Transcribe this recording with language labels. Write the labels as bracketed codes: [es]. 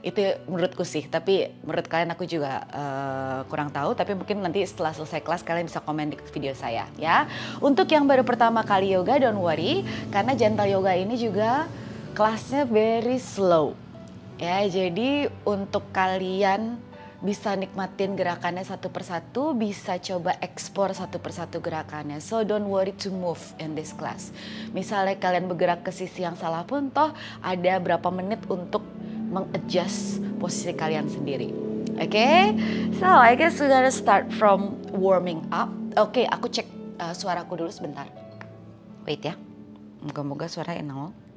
[id] Itu menurutku sih, tapi menurut kalian aku juga kurang tahu, tapi mungkin nanti setelah selesai kelas kalian bisa komen di video saya, ya. Untuk yang baru pertama kali yoga, [en] don't worry, [id] karena gentle yoga ini juga kelasnya [en] very slow, [id] ya. Jadi untuk kalian bisa nikmatin gerakannya satu persatu, bisa coba eksplor satu persatu gerakannya. [en] So don't worry to move in this class. [id] Misalnya kalian bergerak ke sisi yang salah pun, toh ada berapa menit untuk meng-adjust posisi kalian sendiri. [en] Okay, so I guess we gotta start from warming up. [id] Okay, aku cek suaraku dulu sebentar. [en] Wait [id] ya, moga-moga suara enak.